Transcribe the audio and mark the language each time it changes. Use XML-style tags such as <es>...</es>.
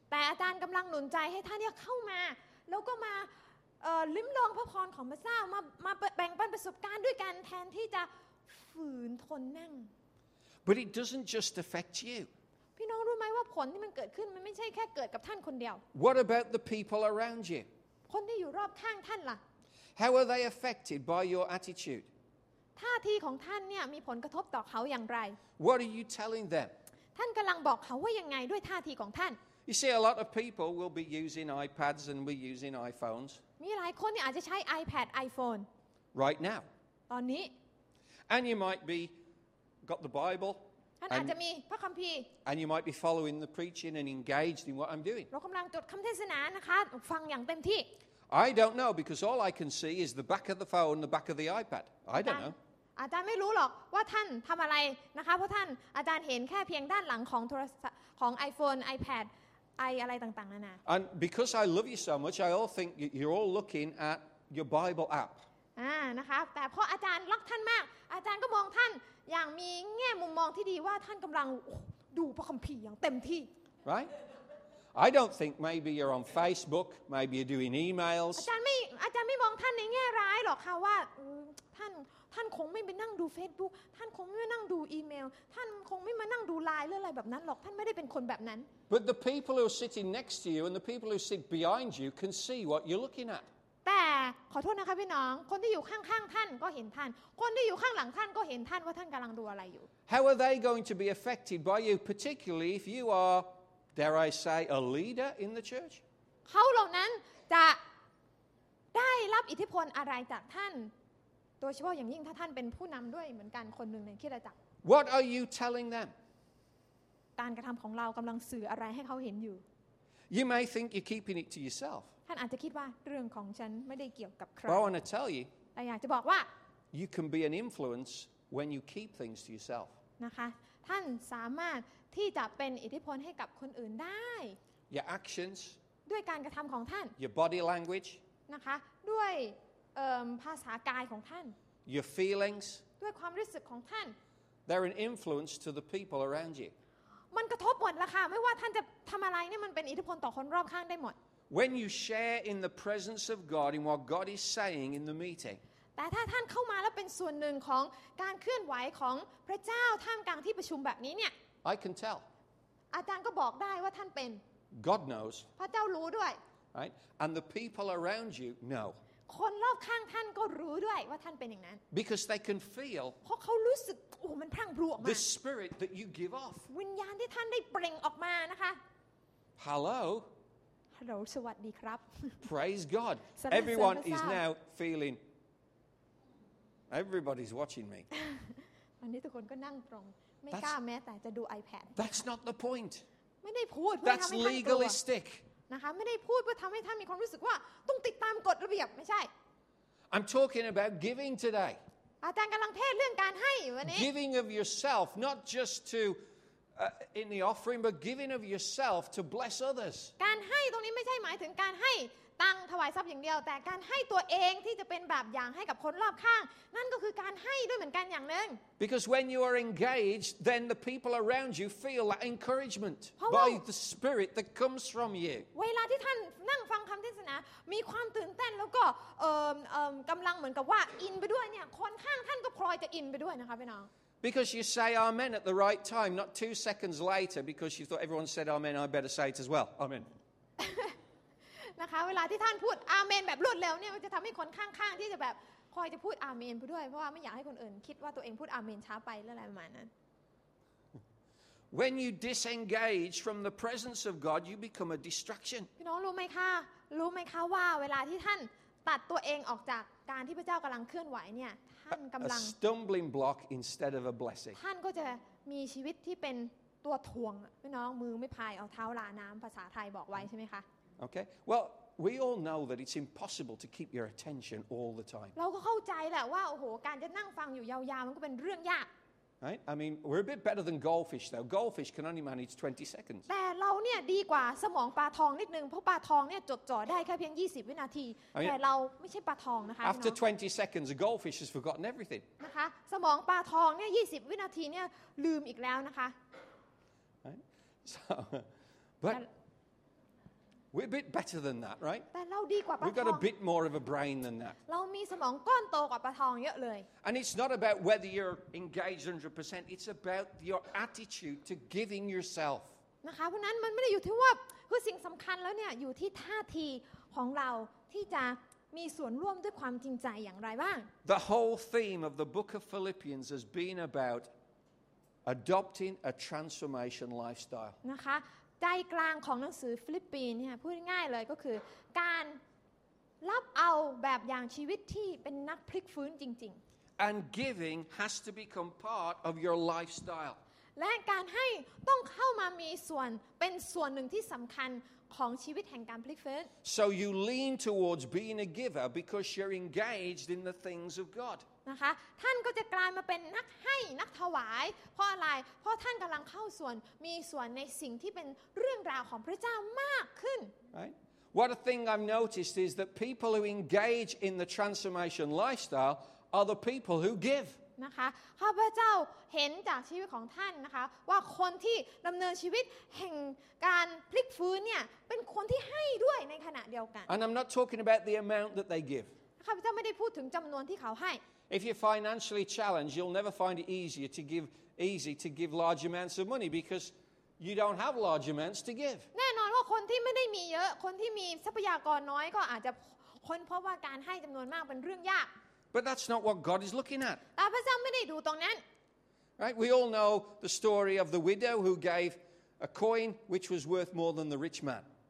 <th>แต่อาจารย์กำลังหนุนใจให้ท่านเนี่ยเข้ามาแล้วก็มาลิ้มลองพระพรของพระเจ้ามาแบ่งปันประสบการณ์ด้วยกันแทนที่จะฝืนทนนั่ง</th> <en>But it doesn't just affect you</en> <th>พี่น้องรู้ไหมว่าผลที่มันเกิดขึ้นมันไม่ใช่แค่เกิดกับท่านคนเดียว</th> <en>What about the people around you?</en> <th>คนที่อยู่รอบข้างท่านล่ะ</th> <en>How are they affected by your attitude?</en> <th>ท่าทีของท่านเนี่ยมีผลกระทบต่อเขาอย่างไร</th> <en>What are you telling them?</en> <th>ท่านกำลังบอกเขาว่ายังไงด้วยท่าทีของท่าน</th> <en>You see, a lot of people will be using iPads and will be using iPhones.</en> <th>มีหลายคนเนี่ยอาจจะใช้ iPad, iPhone.</th> <en>Right now.</en> <th>ตอนนี้</th> <en>And you might be got the Bible.</en> <th>ท่านอาจจะมีพระคัมภีร์</th> <en>and you might be following the preaching and engaged in what I'm doing</en> <th>เรากำลังจดคำเทศนานะคะฟังอย่างเต็มที่</th> <en>I don't know because all I can see is the back of the phone the back of the iPad I don't know</en> <th>อาจารย์ไม่รู้หรอกว่าท่านทำอะไรนะคะเพราะท่านอาจารย์เห็นแค่เพียงด้านหลังของโทรศัพท์ของ iPhone iPad i อะไรต่างๆนานา</th> <en>and because I love you so much I all think you're all looking at your Bible app</en> <th>นะคะแต่เพราะอาจารย์รักท่านมากอาจารย์ก็มองท่านอย่างมีแง่มุมมองที่ดีว่าท่านกำลังดูพระคัมภีร์อย่างเต็มที่</th> <en>Right I don't think maybe you're on Facebook maybe you're doing emails</en> <th>อาจารย์ไม่มองท่านในแง่ร้ายหรอกค่ะว่าท่านคงไม่ไปนั่งดู Facebook ท่านคงไม่ไปนั่งดูอีเมลท่านคงไม่มานั่งดู LINE หรืออะไรแบบนั้นหรอกท่านไม่ได้เป็นคนแบบนั้น</th> <en>But the people who are sitting next to you and the people who sit behind you can see what you're looking at</en> <th>แต่ขอโทษนะคะพี่น้องคนที่อยู่ข้างๆท่านก็เห็นท่านคนที่อยู่ข้างหลังท่านก็เห็นท่านว่าท่านกำลังดูอะไรอยู่</th> <en>How are they going to be affected by you, particularly if you are, dare I say, a leader in the church?</en> <th>เขาเหล่านั้นจะได้รับอิทธิพลอะไรจากท่านโดยเฉพาะอย่างยิ่งถ้าท่านเป็นผู้นำด้วยเหมือนกันคนหนึ่งในคริสตจักร</th> <en>What are you telling them?</en> <th>การกระทำของเรากำลังสื่ออะไรให้เขาเห็นอยู่</th> <en>You may think you're keeping it to yourself.</en> <th>ท่านอาจจะคิดว่าเรื่องของฉันไม่ได้เกี่ยวกับใคร</th> <en>But I want to tell you</en> <th>แต่อยากจะบอกว่า</th> <en>You can be an influence when you keep things to yourself</en> <th>นะคะท่านสามารถที่จะเป็นอิทธิพลให้กับคนอื่นได้</th> <en>Your actions</en> <th>ด้วยการกระทำของท่าน</th> <en>Your body language</en> <th>นะคะด้วยภาษากายของท่าน</th> <en>Your feelings</en> <th>ด้วยความรู้สึกของท่าน</th> <en>They're an influence to the people around you</en> <th>มันกระทบหมดละค่ะไม่ว่าท่านจะทำอะไรเนี่ยมันเป็นอิทธิพลต่อคนรอบข้างได้หมด</th> <en>When you share in the presence of God in what God is saying in the meeting.</en> <th>แต่ถ้าท่านเข้ามาแล้วเป็นส่วนหนึ่งของการเคลื่อนไหวของพระเจ้าท่ามกลางที่ประชุมแบบนี้เนี่ย</th> <en>I can tell.</en> <th>อาจารย์ก็บอกได้ว่าท่านเป็น</th> <en>God knows.</en> <th>พระเจ้ารู้ด้วย</th> <en>Right? And the people around you know.</en> <th>คนรอบข้างท่านก็รู้ด้วยว่าท่านเป็นอย่างนั้น</th> <en>Because they can feel.</en> <th>เพราะเขารู้สึกโอ้มันพรั่งพรูออกมา</th> <en>The spirit that you give off.</en> <th>วิญญาณที่ท่านได้เปล่งออกมานะคะ</th> <en>Hello.</en> <th>Hello, สวัสดีครับ.</th> <en>Praise God. Everyone is now feeling. Everybody's watching me.</en> <th>วันนี้ทุกคนก็นั่งตรงไม่กล้าแม้แต่จะดู iPad.</th> <en>That's not the point.</en> <th>ไม่ได้พูด</th> <en>That's legalistic.</en> <th>นะคะไม่ได้พูดเพื่อทำให้ท่านมีความรู้สึกว่าต้องติดตามกฎระเบียบไม่ใช่</th> <en>I'm talking about giving today.</en> <th>อาจารย์กำลังเทศเรื่องการให้วันนี้</th> <en>Giving of yourself, not just to in the offering, but giving of yourself to bless others.</en> <th>การให้ตรงนี้ไม่ใช่หมายถึงการให้ตังถวายทรัพย์อย่างเดียวแต่การให้ตัวเองที่จะเป็นแบบอย่างให้กับคนรอบข้างนั่นก็คือการให้ด้วยเหมือนกันอย่างนึง</th> <en>Because when you are engaged then the people around you feel that encouragement by the spirit that comes from you</en> <th>เวลาที่ท่านนั่งฟังคำเทศนามีความตื่นเต้นแล้วก็กำลังเหมือนกับว่าอินไปด้วยเนี่ยคนข้างท่านก็พลอยจะอินไปด้วยนะคะพี่น้อง</th> <en>Because you say amen at the right time, not 2 seconds later, because you thought everyone said amen, I better say it as well. Amen.</en> <th>นะคะเวลาที่ท่านพูดอาเมนแบบรวดเร็วเนี่ยจะทำให้คนข้างๆที่จะแบบคอยจะพูดอาเมนไปด้วยเพราะว่าไม่อยากให้คนอื่นคิดว่าตัวเองพูดอาเมนช้าไปหรืออะไรประมาณนั้น</th> <en>When you disengage from the presence of God, you become a distraction.</en> <th>พี่น้องรู้ไหมคะรู้ไหมคะว่าเวลาที่ท่านตัดตัวเองออกจากการที่พระเจ้ากำลังเคลื่อนไหวเนี่ย</th> <en>A stumbling block instead of a blessing.</en> <th>ท่านก็จะมีชีวิตที่เป็นตัวถ่วงพี่น้องมือไม่พายเอาเท้าลาน้ำภาษาไทยบอกไว้ใช่ไหมคะ</th> <en>Okay. Well, we all know that it's impossible to keep your attention all the time.</en> <th>เราก็เข้าใจแหละว่าโอ้โหการจะนั่งฟังอยู่ยาวๆมันก็เป็นเรื่องยาก</th> <en>Right. I mean, we're a bit better than goldfish, though. Goldfish can only manage 20 seconds.</en> <th>แต่เราเนี่ยดีกว่าสมองปลาทองนิดนึงเพราะปลาทองเนี่ยจดจ่อได้แค่เพียง20วินาทีแต่เราไม่ใช่ปลาทองนะคะ</th> <en>After 20 seconds, a goldfish has forgotten everything.</en> <th>นะคะสมองปลาทองเนี่ย20วินาทีเนี่ยลืมอีกแล้วนะคะ</th> <en>Right. So, but we're a bit better than that, right?</en> <th>แต่เราดีกว่าปลาทอง</th> <en>We've got a bit more of a brain than that.</en> <th>เรามีสมองก้อนโตกว่าปลาทองเยอะเลย</th> <en>And it's not about whether you're engaged 100%. It's about your attitude to giving yourself.</en> <th>นะคะเพราะนั้นมันไม่ได้อยู่ที่ว่าคือสิ่งสำคัญแล้วเนี่ยอยู่ที่ท่าทีของเราที่จะมีส่วนร่วมด้วยความจริงใจอย่างไรบ้าง</th> <en>The whole theme of the book of Philippians has been about adopting a transformation lifestyle.</en> <th>นะคะใจกลางของหนังสือฟิลิปปินส์เนี่ยพูดง่ายเลยก็คือการรับเอาแบบอย่างชีวิตที่เป็นนักพลิกฟื้นจริง</th> <en>ๆ And giving has to become part of your lifestyle</en> <th>และการให้ต้องเข้ามามีส่วนเป็นส่วนหนึ่งที่สำคัญของชีวิตแห่งการพลิกฟื้น</th> <en>So you lean towards being a giver because you're engaged in the things of God</en> <th>นะคะท่านก็จะกลายมาเป็นนักให้นักถวายเพราะอะไรเพราะท่านกำลังเข้าส่วนมีส่วนในสิ่งที่เป็นเรื่องราวของพระเจ้ามากขึ้น</th> <en>Right What a thing I've noticed is that people who engage in the transformation lifestyle are the people who give</en> <th>นะคะข้าพเจ้าเห็นจากชีวิตของท่านนะคะว่าคนที่ดำเนินชีวิตแห่งการพลิกฟื้นเนี่ยเป็นคนที่ให้ด้วยในขณะเดียวกัน</th> <en>And I'm not talking about the amount that they give</en> <th>ข้าพเจ้าไม่ได้พูดถึงจำนวนที่เขาให้</th> <en>If you're financially challenged, you'll never find it easier to give easy to give large amounts of money because you don't have large amounts to give.</en> <th>แน่นอนว่าคนที่ไม่ได้มีเยอะคนที่มีทรัพยากรน้อยก็อาจจะค้นพบว่าการให้จำนวนมากเป็นเรื่องยาก</th> <en>But that's not what God is looking at.</en> <th>แต่พระเจ้าไม่ได้ดูตรงนั้น</th> <en>Right? We all know the story of the widow who gave a coin which was worth more than the rich man.</en>